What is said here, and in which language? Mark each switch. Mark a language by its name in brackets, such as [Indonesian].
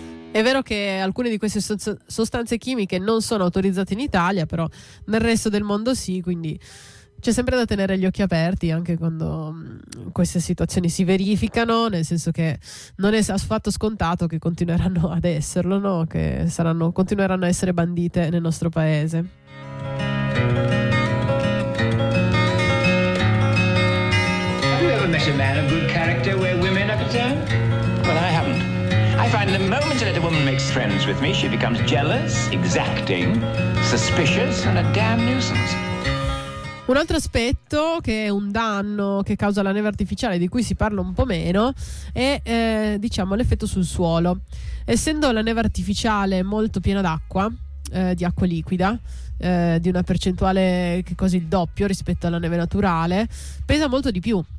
[Italian] È vero che alcune di queste sostanze chimiche non sono autorizzate in Italia, però nel resto del mondo sì, quindi c'è sempre da tenere gli occhi aperti anche quando queste situazioni si verificano, nel senso che non è affatto scontato che continueranno ad esserlo, no? Che continueranno a essere bandite nel nostro paese. [English] Have you ever met a man of good character where women are concerned? Well, I haven't. I find the moment that a woman makes friends with me, she becomes jealous, exacting, suspicious and a damn nuisance. [Italian] Un altro aspetto che è un danno che causa la neve artificiale, di cui si parla un po' meno, è diciamo l'effetto sul suolo. Essendo la neve artificiale molto piena d'acqua, di acqua liquida, di una percentuale che è quasi il doppio rispetto alla neve naturale, pesa molto di più.